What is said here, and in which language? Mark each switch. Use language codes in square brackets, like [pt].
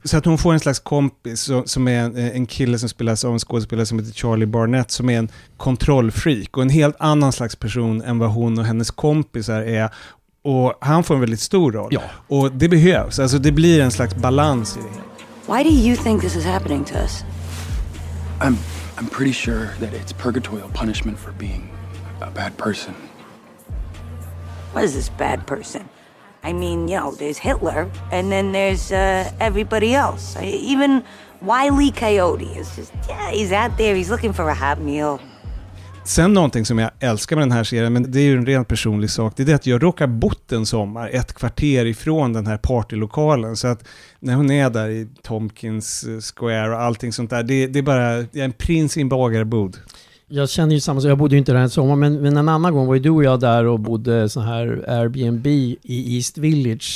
[sv] Så att hon får en slags kompis som är en kille som spelas av en skådespelare som heter Charlie Barnett, som är en kontrollfreak och en helt annan slags person än vad hon och hennes kompisar är. Och han får en väldigt stor roll. Ja. Och det behövs. Alltså det blir en slags balans i det. [en] Why do you think this is happening to us? I'm pretty sure that it's purgatorial punishment for being a bad person. What is this bad person? I mean, you know, there's Hitler, and then there's everybody else. Even Wile E. Coyote is just, he's out there, he's looking for a hot meal. [sv] Sen någonting som jag älskar med den här serien, men det är ju en rent personlig sak, det är att jag råkar bott en sommar ett kvarter ifrån den här partylokalen, så att när hon är där i Tompkins Square och allting sånt där, det är bara, jag är en prins i en bagarbod. Jag känner ju samma sak, jag bodde ju inte där en sommar, men en annan gång var ju du och jag där och bodde så här Airbnb i East Village.